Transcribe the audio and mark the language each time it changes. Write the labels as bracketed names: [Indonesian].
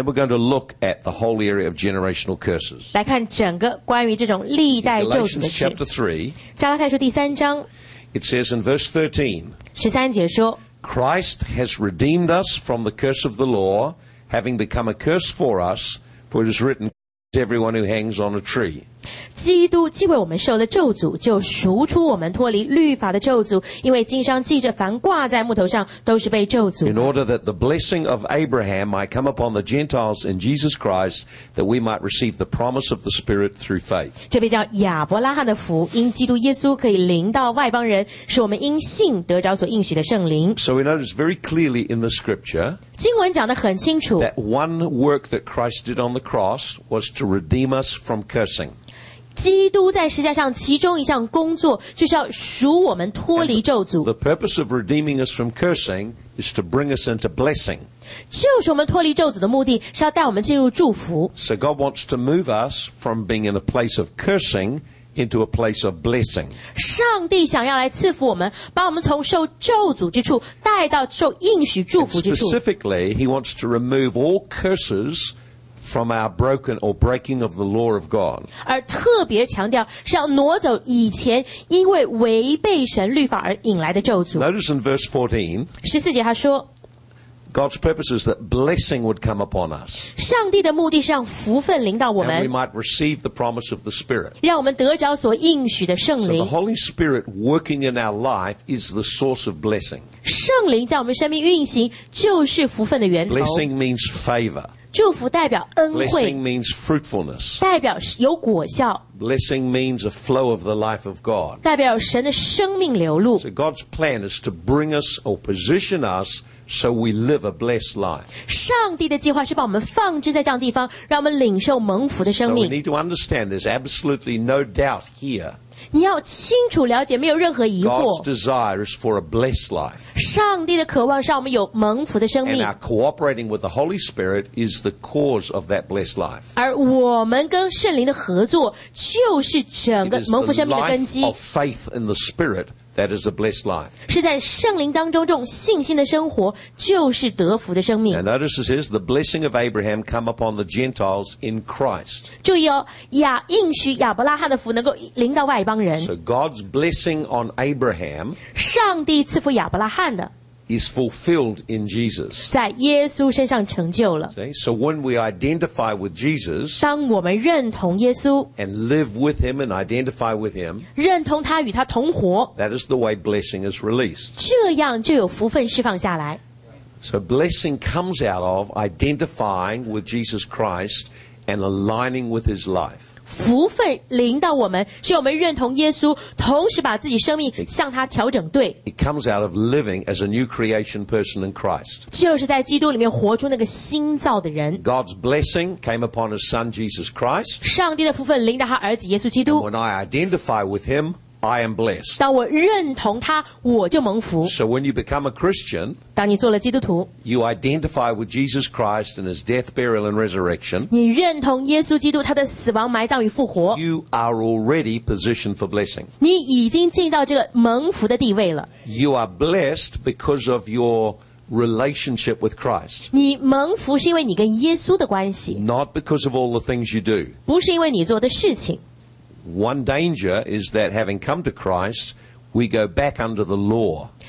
[English] Then we're going to look at the whole area of generational curses. [Chinese] 来看整个关于这种历代咒诅的事。 [English] Galatians chapter 3. [Chinese] 加拉太书第三章。 [English] It says in verse 13, [Chinese] 13节说 [English] Christ has redeemed us from the curse of the law, having become a curse for us, for it is written, everyone who hangs on a tree. [Chinese] 基督既为我们受了咒诅，就赎出我们脱离律法的咒诅，因为经上记着凡挂在木头上都是被咒诅。 [English] In order that the blessing of Abraham might come upon the Gentiles in Jesus Christ, that we might receive the promise of the Spirit through faith. [Chinese] 这边叫亚伯拉罕的福，因基督耶稣可以临到外邦人，使我们因信得着所应许的圣灵。 [English] So we notice very clearly in the scripture, [Chinese] 经文讲得很清楚， [English] that one work that Christ did on the cross was to redeem us from cursing. [Chinese] 基督在十字架上其中一项工作就是要赎我们脱离咒诅。 [English] The purpose of redeeming us from cursing is to bring us into blessing. [Chinese] 就是我们脱离咒诅的目的是要带我们进入祝福。 [English] So God wants to move us from being in a place of cursing into a place of blessing. [Chinese] 上帝想要来赐福我们，把我们从受咒诅之处带到受应许祝福之处。 [English] Specifically, He wants to remove all cursesFrom our broken or breaking of the law of God. [Chinese] 而特别强调是要挪走以前因为违背神律法而引来的咒诅。 [English] Notice in verse 14. [Chinese] 十四节他说 [English] God's purpose is that blessing would come upon us. [Chinese] 上帝的目的是让福分临到我们。 [English] And we might receive the promise of the Spirit. [Chinese] 让我们得着所应许的圣灵。 [English] So the Holy Spirit working in our life is the source of blessing. [Chinese] 圣灵在我们生命运行就是福分的源头。 [English] Blessing means favor. [Chinese] 祝福代表恩惠。 [English] Blessing means fruitfulness. [Chinese] 代表有果效。 [English] Blessing means a flow of the life of God. [Chinese] 代表神的生命流露。 [English] So God's plan is to bring us or position us so we live a blessed life. [Chinese] 上帝的计划是把我们放置在这样的地方，让我们领受蒙福的生命。 [English] So we need to understand there's absolutely no doubt here. [Chinese] 你要清楚了解，没有任何疑惑。 [English] God's desire is for a blessed life. [Chinese] 上帝的渴望是让我们有蒙福的生命。 [English] And our cooperating with the Holy Spirit is the cause of that blessed life. [Chinese] 而我们跟圣灵的合作就是整个蒙福生命的根基。 [English] It is the life of faith in the Spirit that is a blessed life. [Chinese] 是在圣灵当中这种信心的生活就是得福的生命。 [English] And notice it says, the blessing of Abraham come upon the Gentiles in Christ. [Chinese] 注意哦，应许亚伯拉罕的福能够临到外邦人。 [English] So God's blessing on Abraham [Chinese] 上帝赐福亚伯拉罕的 [English] is fulfilled in Jesus. [Chinese] 在耶稣身上成就了。 [English] See? So when we identify with Jesus, [Chinese] 当我们认同耶稣 [English] and live with him and identify with him, [Chinese] 认同他与他同活 [English] that is the way blessing is released. [Chinese] 这样就有福分释放下来。 [English] So blessing comes out of identifying with Jesus Christ and aligning with his life. [Chinese] 福分临到我们是我们认同耶稣同时把自己生命向他调整对 [English] It comes out of living as a new creation person in Christ [Chinese] 就是在基督里面活出那个新造的人 [English] God's blessing came upon his son Jesus Christ [Chinese] 上帝的福分临到他儿子耶稣基督 [English] When I identify with him I am blessed [Chinese] 当我认同他我就蒙福 [English] So when you become a Christian [Chinese] 当你做了基督徒 [English] You identify with Jesus Christ and his death, burial and resurrection [Chinese] 你认同耶稣基督他的死亡埋葬与复活 [English] You are already positioned for blessing [Chinese] 你已经进到这个蒙福的地位了 [English] You are blessed because of your relationship with Christ [Chinese] 你蒙福是因为你跟耶稣的关系 [English] Not because of all the things you do [Chinese] 不是因为你做的事情 [English] one danger is that having come to Christ, we go back under the law.